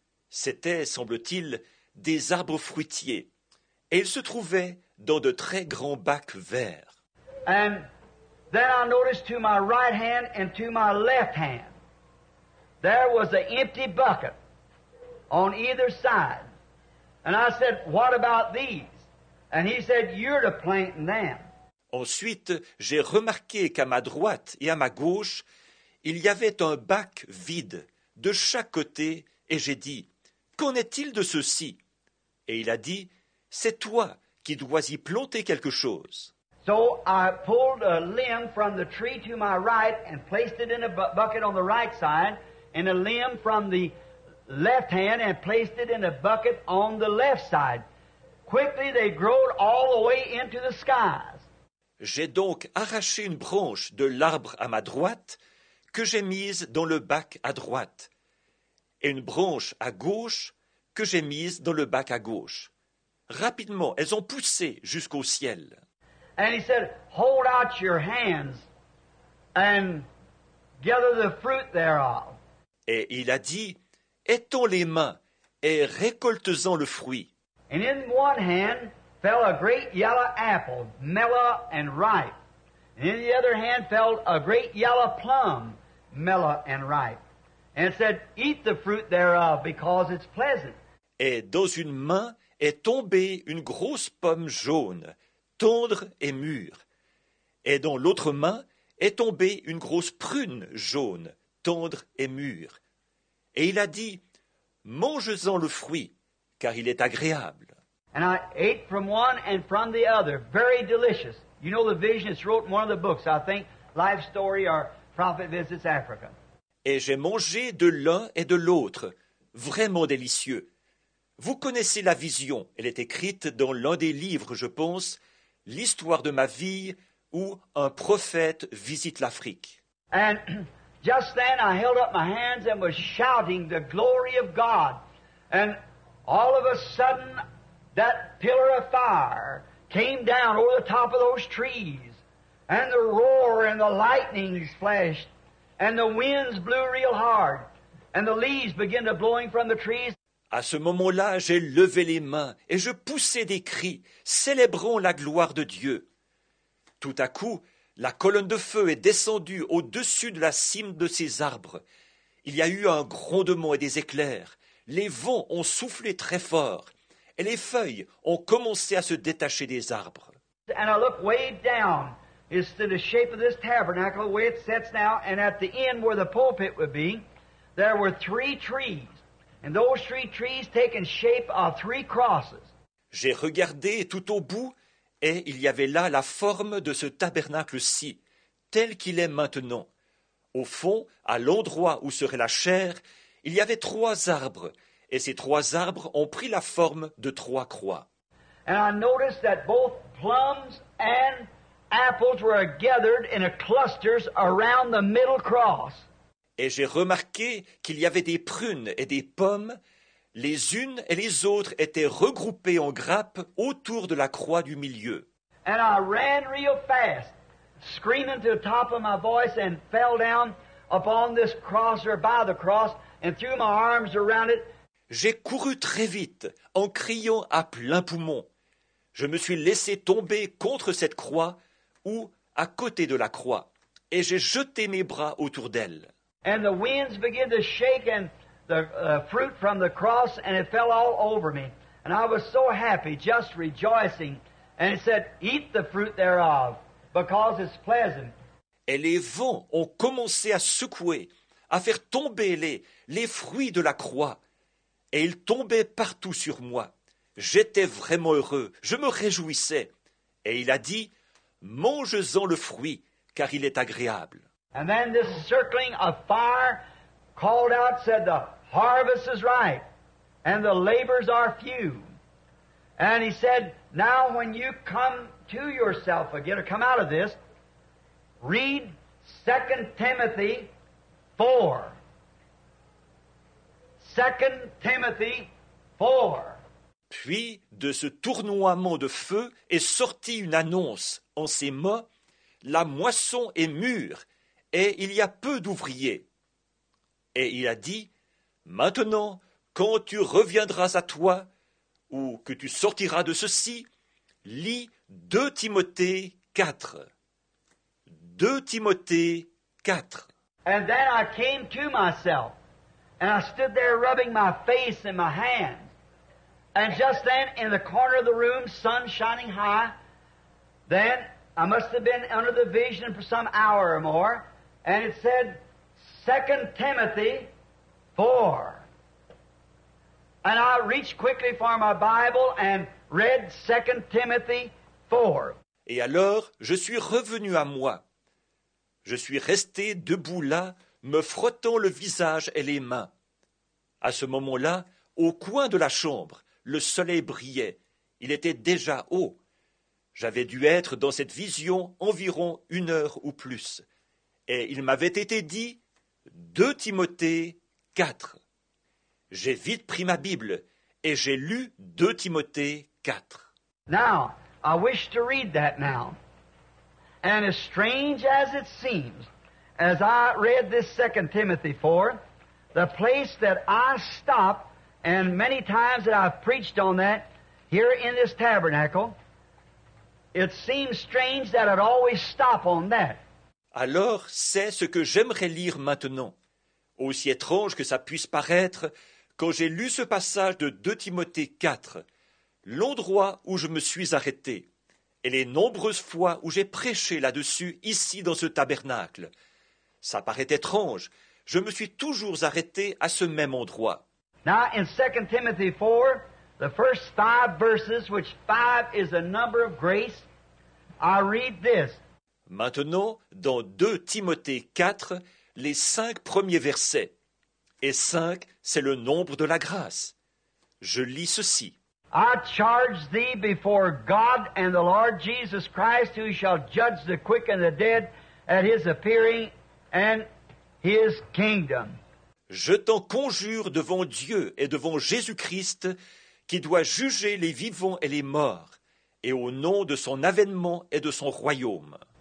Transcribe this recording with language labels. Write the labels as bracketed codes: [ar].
[fr] C'étaient, semble-t-il, des arbres fruitiers et ils se trouvaient dans de très grands bacs verts. [en] And then I noticed to my right hand and to my left hand. There was an empty bucket on either side. And I said, what about these? And he said, you're to plant them. [fr] Ensuite, j'ai remarqué qu'à ma droite et à ma gauche, il y avait un bac vide de chaque côté, et j'ai dit, qu'en est-il de ceci? Et il a dit, c'est toi qui dois y planter quelque chose. [en] So I pulled a limb from the tree to my right and placed it in a bucket on the right side. And a limb from the left hand and placed it in a bucket on the left side. Quickly they growed all the way into the skies. [fr] J'ai donc arraché une branche de l'arbre à ma droite que j'ai mise dans le bac à droite et une branche à gauche que j'ai mise dans le bac à gauche. Rapidement, elles ont poussé jusqu'au ciel. [en] And he said, hold out your hands and gather the fruit thereof. [fr] Et il a dit, « Étends les mains et récolte-en le fruit. » [en] And in one hand fell a great yellow apple, mellow and ripe. And in the other hand fell a great yellow plum, mellow and ripe. And said, « Eat the fruit thereof, because it's pleasant. » [fr] Et dans une main est tombée une grosse pomme jaune, tendre et mûre. Et dans l'autre main est tombée une grosse prune jaune, tendre et mûr. Et il a dit, mangez-en le fruit, car il est agréable. [en] And I ate from one and from the other, very delicious. You know the vision, it's wrote in one of the books, I think, Life Story or Prophet Visits Africa. [fr] Et j'ai mangé de l'un et de l'autre, vraiment délicieux. Vous connaissez la vision, elle est écrite dans l'un des livres, je pense, L'histoire de ma vie, où un prophète visite l'Afrique. [en] And just then I held up my hands and was shouting the glory of God. And all of a sudden that pillar of fire came down over the top of those trees. And the roar and the lightnings flashed. And the winds blew real hard. And the leaves began to blowing from the trees. [fr] À ce moment-là, j'ai levé les mains et je poussai des cris, célébrons la gloire de Dieu. Tout à coup, la colonne de feu est descendue au-dessus de la cime de ces arbres. Il y a eu un grondement et des éclairs. Les vents ont soufflé très fort et les feuilles ont commencé à se détacher des arbres. [en] And I look way down is to the shape of this tabernacle, the way it sits now, and at the end where the pulpit would be, there were three trees. And those three trees taken shape of three crosses. [fr] J'ai regardé tout au bout. Et il y avait là la forme de ce tabernacle-ci, tel qu'il est maintenant. Au fond, à l'endroit où serait la chair, il y avait trois arbres, et ces trois arbres ont pris la forme de trois croix. [en] And I noticed that both plums and apples were gathered in a clusters around the middle cross. [fr] Et j'ai remarqué qu'il y avait des prunes et des pommes. Les unes et les autres étaient regroupées en grappes autour de la croix du milieu. [en] And I ran real fast, screaming to the top of my voice, and fell down upon this cross or by the cross, and threw my arms around it. [fr] J'ai couru très vite, en criant à plein poumon. Je me suis laissé tomber contre cette croix ou à côté de la croix, et j'ai jeté mes bras autour d'elle. [en] And the winds began to shake and the fruit from the cross, and it fell all over me. And I was so happy, just rejoicing. And it said, eat the fruit thereof, because it's pleasant. [fr] Et les vents ont commencé à secouer, à faire tomber les fruits de la croix. Et ils tombaient partout sur moi. j'étais vraiment heureux, je me réjouissais. Et il a dit, mangez-en le fruit, car il est agréable. [en] And then this circling of fire called out, said, the harvest is ripe, and the laborers are few. And he said, now when you come to yourself again, or come out of this, read 2 Timothy 4. 2 Timothy 4. [fr] Puis, de ce tournoiement de feu est sortie une annonce en ces mots, « La moisson est mûre et il y a peu d'ouvriers. » Et il a dit, « Maintenant, quand tu reviendras à toi, ou que tu sortiras de ceci, lis 2 Timothée 4. » 2 Timothée 4. [en] « And then I came to myself, and I stood there rubbing my face and my hands. And just then, in the corner of the room, sun shining high, then I must have been under the vision for some hour or more, and it said, 2 Timothy 4. And I reached quickly for my Bible and read 2 Timothy 4. [fr] Et alors, je suis revenu à moi. Je suis resté debout là, me frottant le visage et les mains. À ce moment-là, au coin de la chambre, le soleil brillait, il était déjà haut. J'avais dû être dans cette vision environ une heure ou plus. Et il m'avait été dit, 2 Timothée 4. J'ai vite pris ma Bible et j'ai lu 2 Timothée 4. [en] Now, I wish to read that now. And as strange as it seems, as I read this 2 Timothy 4, the place that I stopped, and many times that I've preached on that here in this tabernacle, it seems strange that I'd always stop on that. [fr] Alors, c'est ce que j'aimerais lire maintenant. Aussi étrange que ça puisse paraître, quand j'ai lu ce passage de 2 Timothée 4, l'endroit où je me suis arrêté, et les nombreuses fois où j'ai prêché là-dessus, ici dans ce tabernacle, ça paraît étrange, je me suis toujours arrêté à ce même endroit. [en] Now, in 2 Timothy 4, the first five verses, which five is a number of grace, I read this. [fr] Maintenant, dans 2 Timothée 4, les cinq premiers versets. Et cinq, c'est le nombre de la grâce. Je lis ceci. [en] I charge thee before God and the Lord Jesus Christ, who shall judge the quick and the dead at his appearing and his kingdom. [fr] Je t'en conjure devant Dieu et devant Jésus-Christ, qui doit juger les vivants et les morts, et au nom de son avènement et de son royaume.